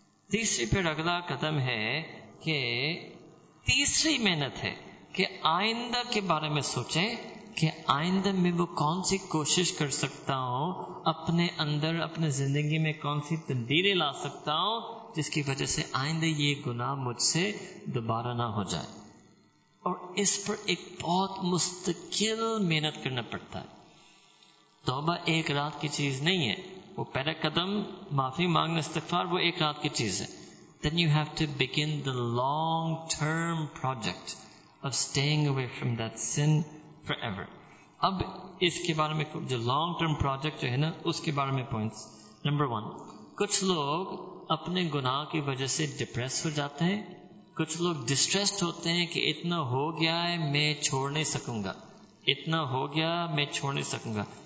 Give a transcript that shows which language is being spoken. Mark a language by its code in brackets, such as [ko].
[ur] تیسری پھر اگلا قدم ہے کہ تیسری محنت ہے کہ آئندہ کے بارے میں سوچیں کہ آئندہ میں وہ کون سی کوشش کر سکتا ہوں, اپنے اندر اپنے زندگی میں کون سی تبدیلی لا سکتا ہوں جس کی وجہ سے آئندہ یہ گناہ مجھ سے دوبارہ نہ ہو جائے. اور اس پر ایک بہت مستقل محنت کرنا پڑتا ہے. توبہ ایک رات کی چیز نہیں ہے, وہ پہلا قدم معافی مانگنا استغفار وہ ایک رات کی چیز ہے. [en] Then you have to begin the long term project of staying away from that sin forever. [ur] اب اس کے بارے میں جو لانگ ٹرم پروجیکٹ جو ہے نا, اس کے بارے میں پوائنٹس. نمبر ون, کچھ لوگ اپنے گناہ کی وجہ سے ڈپریس ہو جاتے ہیں, کچھ لوگ ڈسٹریسڈ ہوتے ہیں کہ اتنا ہو گیا ہے میں چھوڑ نہیں سکوں گا, اتنا ہو گیا میں چھوڑ نہیں سکوں گا.